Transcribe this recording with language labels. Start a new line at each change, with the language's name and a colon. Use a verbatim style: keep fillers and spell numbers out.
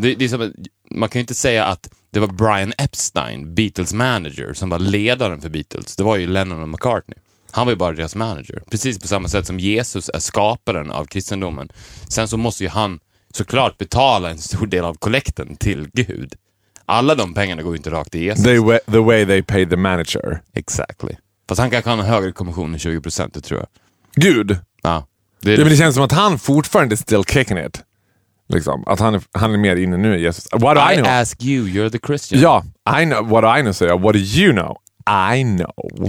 Swedish: Det, det är som, man kan ju inte säga att det var Brian Epstein, Beatles manager, som var ledaren för Beatles. Det var ju Lennon och McCartney. Han var ju bara deras manager. Precis på samma sätt som Jesus är skaparen av kristendomen. Sen så måste ju han såklart betala en stor del av kollekten till Gud. Alla de pengarna går ju inte rakt till Jesus.
English: They way, the way they paid the manager. Exactly.
Swedish: Fast han kanske har en högre kommission än tjugo procent, det tror jag. Gud? Ja. Det, det, men det känns som att han fortfarande är
English: still kicking it.
Swedish: Liksom. Att han är, han är mer inne nu i Jesus.
English: What do I, I know? Ask you, you're the Christian. Ja, I know, what do I know,
Swedish: säger jag.
English: What do you know? I know.